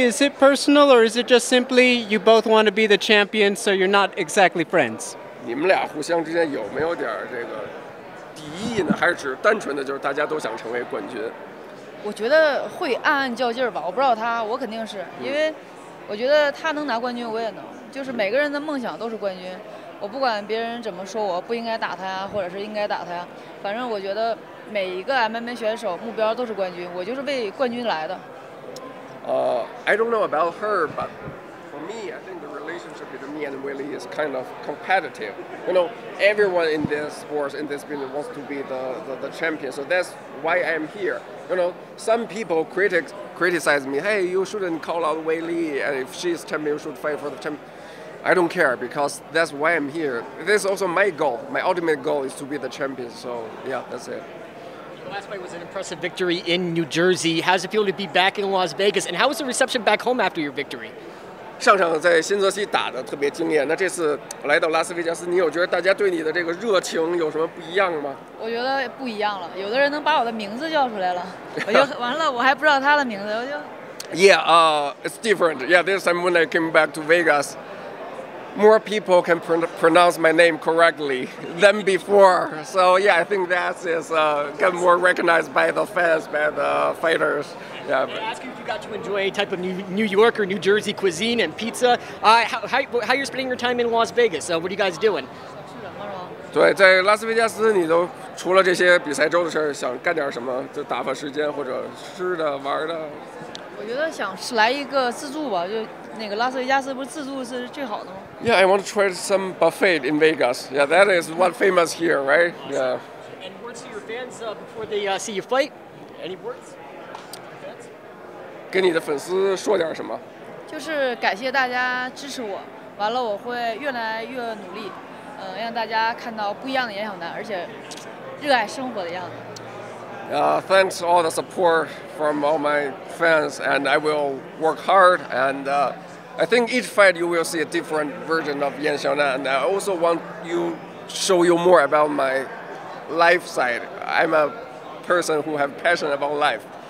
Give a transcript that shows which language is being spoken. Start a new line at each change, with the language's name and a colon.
English: Is it personal or is it just simply you both want to be the champion, so you're not exactly friends?
Chinese: 你们俩互相之间有没有点这个敌意呢？还是只是单纯的就是大家都想成为冠军？我觉得会暗暗较劲吧，我不知道他，我肯定是因为我觉得他能拿冠军我也能，就是每个人的梦想都是冠军，我不管别人怎么说我不应该打他呀，或者是应该打他呀，反正我觉得每一个 MMA 选手目标都是冠军，我就是为冠军来的。
English: I don't know about her, but for me, I think the relationship between me and Weili is kind of competitive. You know, everyone in this sport, in this business, wants to be the champion. So that's why I'm here. You know, some people, critics, criticize me. Hey, you shouldn't call out Weili, and if she's champion, you should fight for the champion. I don't care, because that's why I'm here. This is also my goal. My ultimate goal is to be the champion. So, yeah, that's it. Last fight was an impressive victory in New Jersey. How does it feel to be back in Las Vegas? And how was the reception back home after your victory?
Chinese: 上场在新泽西打的特别惊艳。那这次来到拉斯维加斯，你有觉得大家对你的这个热情有什么不一样吗？我觉得不一样了。有的人能把我的名字叫出来了，我就完了，我还不知道他的名字，我就。
English: Yeah, it's different. Yeah, this time when I came back to Vegas, more people can pronounce my name correctly than before. So yeah, I think that is get more recognized by the fans, by the fighters. Yeah. I ask you if you got to enjoy any type of New York or New Jersey cuisine and pizza. How you're spending your time in Las Vegas? What are you guys doing?
Chinese: 对，在拉斯维加斯，你都除了这些比赛周的事儿，想干点什么？就打发时间或者吃的玩的。我觉得想来一个自助吧，就那个拉斯维加斯不是自助是最好的吗
English: ？Yeah, I want to try some buffet in Vegas. Yeah, that is what famous here, right? Yeah. And words to your fans before they see you fight. Any words?
Chinese: 跟你的粉丝说点什么？就是感谢大家支持我，完了我会越来越努力，让大家看到不一样的颜小丹，而且热爱生活的样子。
English: Thanks all the support from all my fans, and I will work hard. And I think each fight you will see a different version of Yan Xiaonan. And I also want to show you more about my life side. I'm a person who has passion about life.